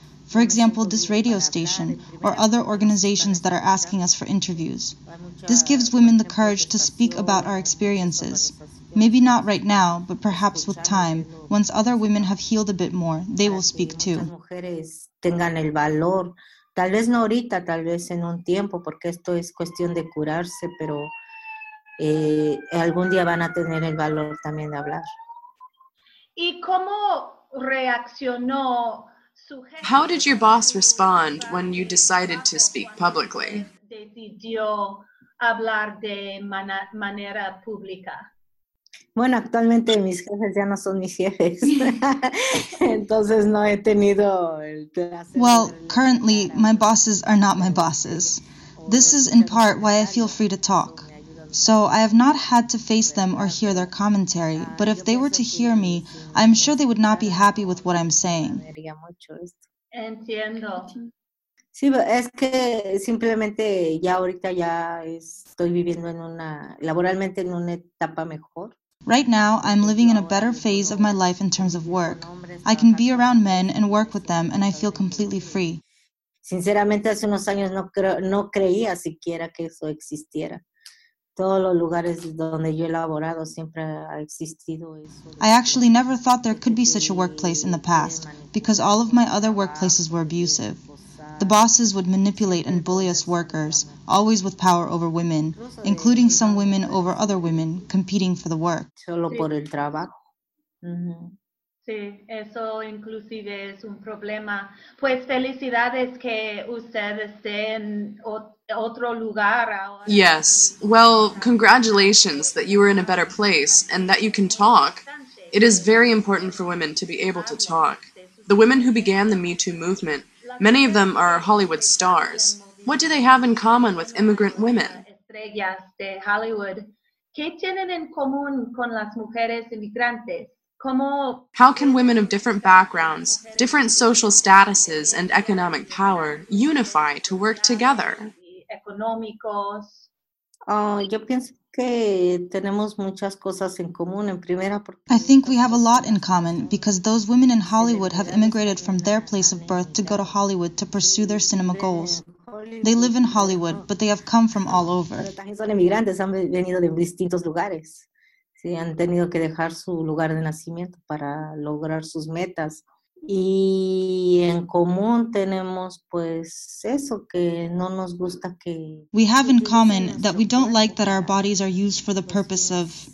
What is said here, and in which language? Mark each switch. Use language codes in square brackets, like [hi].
[en] For example, this radio station or other organizations that are asking us for interviews. This gives women the courage to speak about our experiences. Maybe not right now, but perhaps with time, once other women have healed a bit more, they will speak too. [es] Tengan el valor. Tal vez no ahorita, tal vez en un tiempo, porque esto es cuestión de curarse, pero algún día van a tener el valor también de hablar. ¿Y cómo reaccionó su jefe? [en] How did your boss respond when you decided to speak publicly? [es] Decidió hablar de manera pública. Bueno, actualmente mis jefes ya no son mis jefes. Entonces no he tenido el placer. [en] Well, currently, my bosses are not my bosses. This is in part why I feel free to talk. So I have not had to face them or hear their commentary, but if they were to hear me, I'm sure they would not be happy with what I'm saying. [es] Entiendo. Sí, es que simplemente ya ahorita ya estoy viviendo en una, laboralmente en una etapa mejor. [en] Right now, I'm living in a better phase of my life in terms of work. I can be around men and work with them, and I feel completely free. [es] Sinceramente, hace unos años no creía siquiera que eso existiera. Todos los lugares donde yo he laborado siempre ha existido eso. [en] I actually never thought there could be such a workplace in the past, because all of my other workplaces were abusive. The bosses would manipulate and bully us workers, always with power over women, including some women over other women, competing for the work. [es] Solo por el trabajo. Sí, eso inclusive es un problema. Pues felicidades que usted esté en otro lugar ahora. [en] Yes, well, congratulations that you are in a better place and that you can talk. It is very important for women to be able to talk. The women who began the Me Too movement, many of them are Hollywood stars. What do they have in common with immigrant women? [es] Estrellas de Hollywood. ¿Qué tienen en común con las mujeres inmigrantes? [en] How can women of different backgrounds, different social statuses, and economic power unify to work together? [es] Económicos. Yo pienso que tenemos muchas cosas en común. En primera, [en] I think we have a lot in common because those women in Hollywood have immigrated from their place of birth to go to Hollywood to pursue their cinema goals. They live in Hollywood, but they have come from all over. [es] También son inmigrantes, han venido de distintos lugares. Sí, han tenido que dejar su lugar de nacimiento para lograr sus metas. Y en común tenemos pues eso, que no nos gusta que... [en] We have in common that we don't like that our bodies are used for the purpose of...